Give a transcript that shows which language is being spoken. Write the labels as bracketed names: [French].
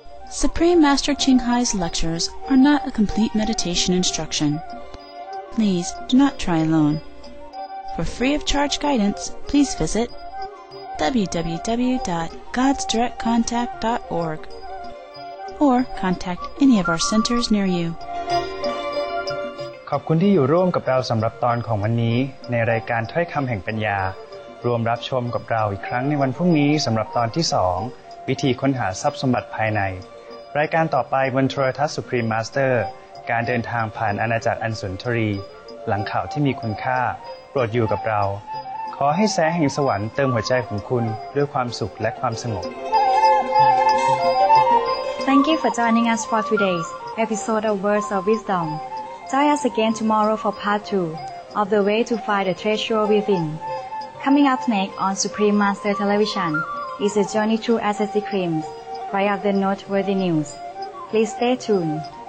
[English] Supreme Master Qinghai's lectures are not a complete meditation instruction. Please do not try alone. For free of charge guidance, please visit www.godsdirectcontact.org or contact any of our centers near you. [Thai] ขอบคุณที่อยู่ร่วมกับเราสำหรับตอนของวันนี้ในรายการถ้อยคำแห่งปัญญา ร่วมรับชมกับเราอีกครั้งในวันพรุ่งนี้สำหรับตอนที่2วิธีค้นหาทรัพย์สมบัติภายในรายการต่อไปบนโทรทัศน์สุพรีมมาสเตอร์การเดินทางผ่านอาณาจักรอัญสุนทรีหลังข่าวที่มีคุณค่าโปรดอยู่กับเราขอให้แสงแห่งสวรรค์เติมหัวใจของคุณด้วยความสุขและความสงบ [English] Thank you for joining us for today's episode of Words of Wisdom. Join us again tomorrow for part 2 of The Way to Find the Treasure Within. Coming up next on Supreme Master Television is A Journey Through SSC Creams, right of the Noteworthy News. Please stay tuned.